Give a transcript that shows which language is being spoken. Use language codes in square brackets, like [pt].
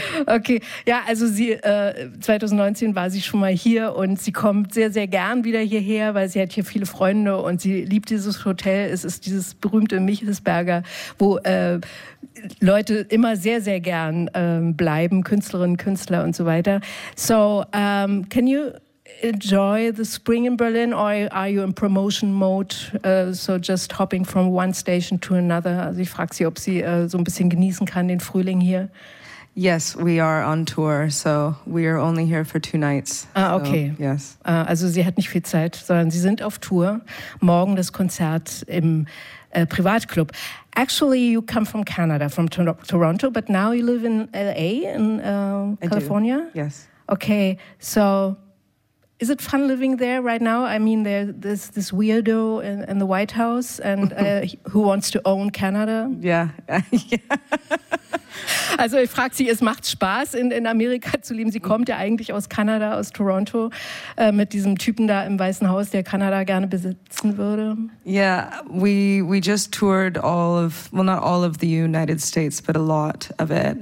[de] Okay, ja, also sie 2019 war sie schon mal hier und sie kommt sehr, sehr gern wieder hierher, weil sie hat hier viele Freunde und sie liebt dieses Hotel. Es ist dieses berühmte Michelsberger, wo Leute immer sehr, sehr gern bleiben, Künstlerinnen, Künstler und so weiter. [en] So, can you enjoy the spring in Berlin, or are you in promotion mode? So just hopping from one station to another. [de] Also ich frage sie, ob sie so ein bisschen genießen kann den Frühling hier. [en] Yes, we are on tour, so we are only here for 2 nights. Ah, okay. So, yes. [de] Also sie hat nicht viel Zeit, sondern sie sind auf Tour. Morgen das Konzert im Privatclub. [en] Actually, you come from Canada, from Toronto, but now you live in LA, in California. I do. Yes. Okay, so. Is it fun living there right now? I mean, there's this weirdo in the White House and who wants to own Canada? Yeah. [de] Also ich frage sie, es macht Spaß, in Amerika zu leben. Sie kommt ja eigentlich aus Kanada, aus Toronto, mit diesem Typen da im Weißen Haus, der Kanada gerne besitzen würde. [en] Yeah, we just toured not all of the United States, but a lot of it.